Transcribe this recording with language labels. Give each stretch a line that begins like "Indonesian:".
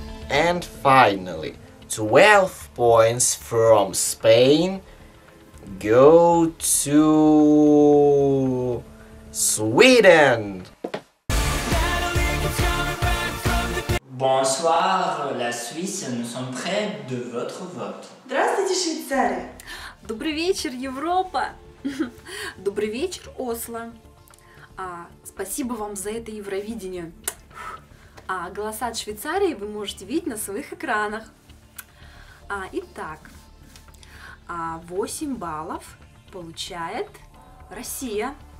English: And finally, 12 points from Spain go to Sweden.
French: Bonsoir, la Suisse, nous sommes près de votre vote.
Russian: Здравствуйте, Швейцария. Добрый вечер, Европа. Добрый вечер, Осло. Спасибо вам за это Евровидение. А голоса от Швейцарии вы можете видеть на своих экранах. Итак, 8 баллов получает Россия.